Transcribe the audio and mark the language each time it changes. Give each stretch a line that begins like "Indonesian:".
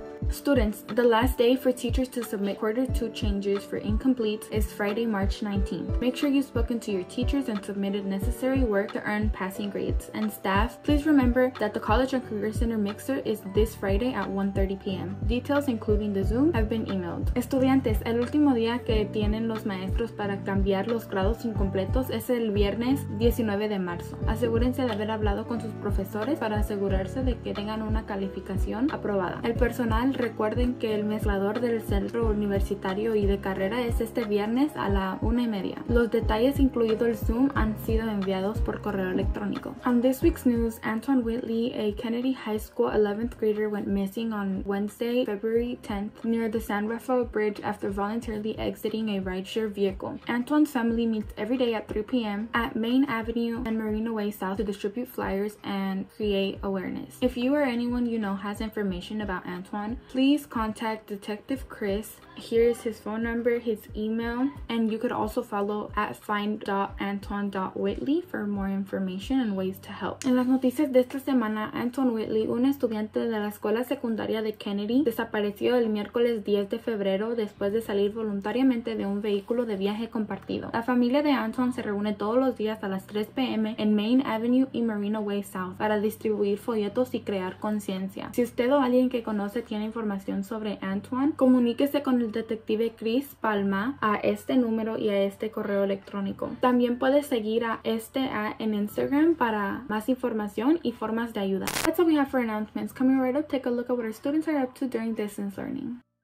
English: Students, the last day for teachers to submit quarter two changes for incompletes is Friday, March 19th. Make sure you've spoken to your teachers and submitted necessary work to earn passing grades. And staff, please remember that the College and Career Center Mixer is this Friday at 1:30 p.m. Details, including the Zoom, have been emailed.
Spanish: Estudiantes, el último día que tienen los maestros para cambiar los grados incompletos es el viernes 19 de marzo. Asegúrense de haber hablado con sus profesores para asegurarse de que tengan una calificación aprobada. El personal, recuerden que el mezclador del centro universitario y de carrera es este viernes a la 1:30. Los detalles, incluido el Zoom, han sido enviados por correo electrónico.
English: On this week's news, Anton Whitley, a Kennedy High School 11th grader, went missing on Wednesday, February 10th, near the San Rafael Bridge after voluntarily exiting a rideshare vehicle. Anton's family meets every day at 3 p.m. at Main Avenue and Marina Way South to distribute flyers and create awareness. If you or anyone you know has information about Anton, please contact Detective Chris. Here is his phone number, his email, and you could also follow at find.anton.whitley for more information and ways to help.
Spanish: En las noticias de esta semana, Anton Whitley, un estudiante de la escuela secundaria de Kennedy, desapareció el miércoles 10 de febrero después de salir voluntariamente de un vehículo de viaje compartido. La familia de Anton se reúne todos los días a las 3 p.m. en Main Avenue y Marina Way South para distribuir folletos y crear conciencia. Si usted o alguien que conoce tiene información sobre Anton, comuníquese con el detective Chris Palma a este número y a este correo electrónico. También puedes seguir a este en Instagram para más información y formas de ayuda.
English: That's all we have for announcements. Coming right up, take a look at what our students are up to during distance learning.